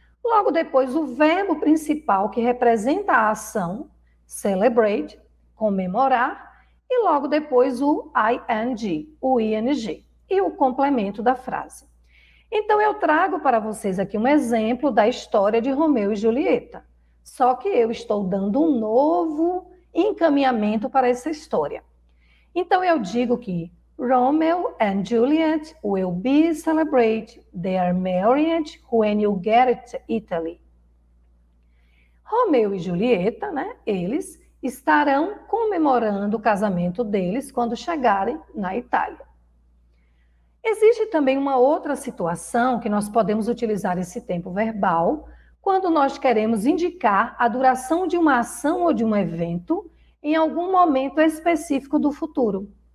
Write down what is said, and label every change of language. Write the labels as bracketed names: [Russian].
[Portuguese] Logo depois, o verbo principal que representa a ação, celebrate, comemorar, e logo depois o ing, o ing, e o complemento da frase. Então, eu trago para vocês aqui um exemplo da história de Romeu e Julieta. Só que eu estou dando um novo encaminhamento para essa história. Então, eu digo que [English] Romeo and Juliet will be celebrated their marriage when you get to Italy. [Portuguese] Romeo e Julieta, né? Eles estarão comemorando o casamento deles quando chegarem na Itália. Existe também uma outra situação que nós podemos utilizar esse tempo verbal quando nós queremos indicar a duração de uma ação ou de um evento em algum momento específico do futuro.